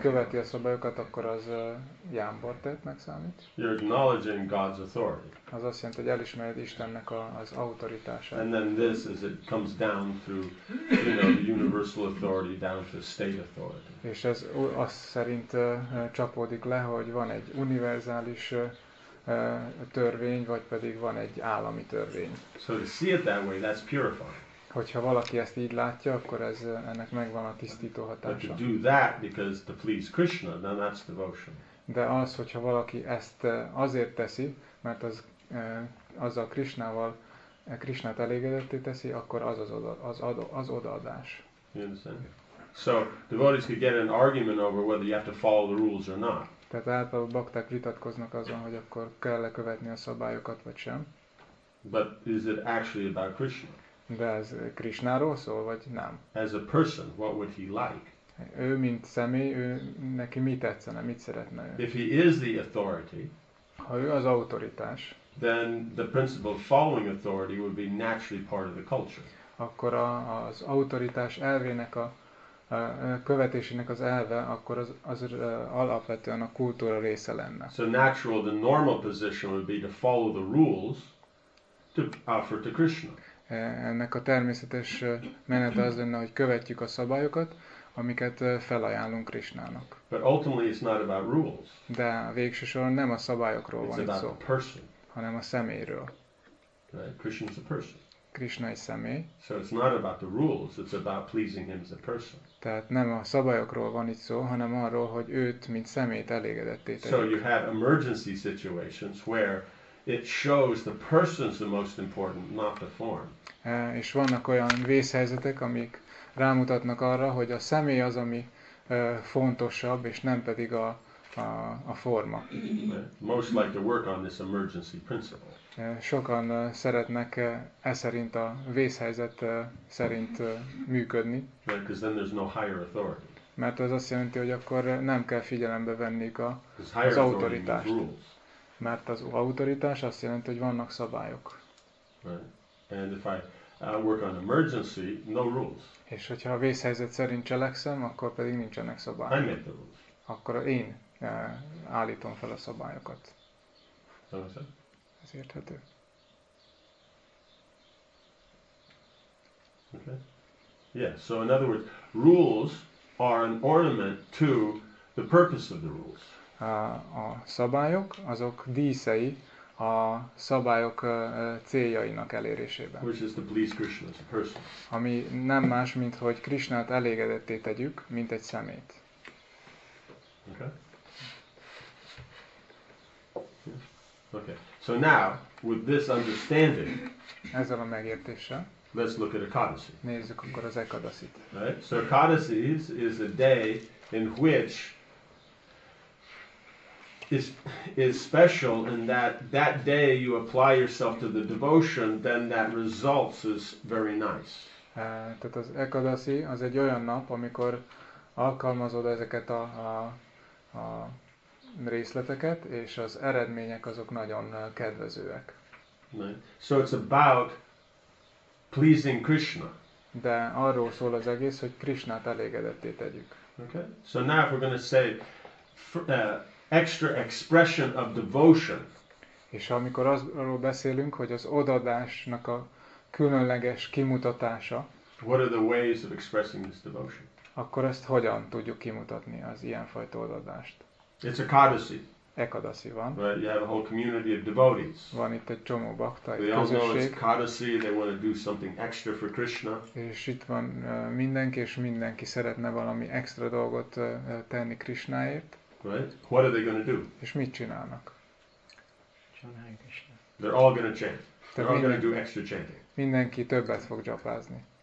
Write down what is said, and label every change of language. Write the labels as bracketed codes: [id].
[hu] követi a szabályokat, akkor az jámbor tettnek számít. [en] You're acknowledging God's authority. [hu] Az azt jelenti, hogy elismered Istennek az autoritását. [en] And then this is it comes down through, you know, the universal authority down to state authority. [hu] És ez azt szerint csapódik le, hogy van egy univerzális törvény, vagy pedig van egy állami törvény. [en] So to see it that way, that's purifying. [hu] Hogyha valaki ezt így látja, akkor ez ennek megvan a tisztító hatása. [en] Do that because to please Krishna, then that's devotion. [hu] De az, hogyha valaki ezt azért teszi, mert az azzal Krishnával Krishnát elégedetté teszi, akkor az az odaadás. [en] You understand? So devotees could get an argument over whether you have to follow the rules or not. [hu] Tehát általában bakták vitatkoznak azon, hogy akkor kell-e követni a szabályokat vagy sem. [en] But is it actually about Krishna? [hu] De ez Krishnáról szól, vagy nem? [en] As a person, what would he like? [hu] Ő, mint személy, ő neki mi tetszene, mit szeretne ő? [en] If he is the authority, [hu] ha ő az autoritás, [en] then the principle of following authority would be naturally part of the culture. [hu] Akkor az autoritás elvének a követésének az elve, akkor az alapvetően a kultúra része lenne. [en] So natural, the normal position would be to follow the rules to offer to Krishna. [hu] Ennek a természetes menete az lenne, hogy követjük a szabályokat, amiket felajánlunk Krishnának. [en] But ultimately it's not about rules. [hu] De végső soron nem a szabályokról [en] it's [hu] van itt [en] about [hu] szó, [en] the person. [hu] Hanem a személyről. [en] Right? Krishna's a person. [hu] Krishna egy személy. [en] So it's not about the rules, it's about pleasing him as a person. [hu] Tehát nem a szabályokról van itt szó, hanem arról, hogy őt, mint személyt elégedetté tegyük. [en] So you have emergency situations where it shows the person's the most important, not the form. [hu] És vannak olyan vészhelyzetek, amik rámutatnak arra, hogy a személy az, ami fontosabb, és nem pedig a forma. [en] Most like to work on this emergency principle. [hu] Sokan szeretnek eszerint a vészhelyzet szerint működni. [en] Because then there's no higher authority. [hu] Mert ez azt jelenti, hogy akkor nem kell figyelembe vennék az autoritást. Mert az autoritás azt jelenti, hogy vannak szabályok. [en] Right. And if I work on emergency, no rules. [hu] És hogyha a vészhelyzet szerint cselekszem, akkor pedig nincsenek szabályok. [en] I make the rules. [hu] Akkor én állítom fel a szabályokat. [en] Okay. [hu] Ez érthető. [en] Okay. Yeah, so in other words, rules are an ornament to the purpose of the rules. [hu] A szabályok, azok díszei a szabályok céljainak elérésében. [en] Which is to please Krishna as a person. [hu] Ami nem más, mint hogy Krishnát elégedetté tegyük, mint egy szemét. [en] Okay. Okay. So now, with this understanding, [hu] ezzel a megértéssel, [en] let's look at Ekadasi. [hu] Nézzük akkor az Ekadasit. [en] Right. So Ekadasi is a day in which is special in that day you apply yourself to the devotion, then that results is very nice. [hu] Tehát az Ekadasi az egy olyan nap, amikor alkalmazod ezeket a részleteket, és az eredmények azok nagyon kedvezőek. [en] Right. So it's about pleasing Krishna. [hu] De arról szól az egész, hogy Krishnát elégedetté tegyük. [en] Okay. So now if we're going to say extra expression of devotion. [hu] És amikor arról beszélünk, hogy az odaadásnak a különleges kimutatása. [en] What are the ways of expressing this devotion? [hu] Akkor ezt hogyan tudjuk kimutatni az ilyenfajta odaadást? [en] It's a Ekadasi. [hu] Ekadasi van. [en] Right, you have a whole community of devotees. [hu] Van itt egy csomó bakta, egy közösség. [en] They all know it's Ekadasi, they want to do something extra for Krishna. [hu] És itt van mindenki, és mindenki szeretne valami extra dolgot tenni Krishnáért. [en] Right? What are they going to do? [hu] És mit csinálnak? [en] They're all going to chant. They're all going to do extra chanting. [hu] Mindenki többet fog japázni.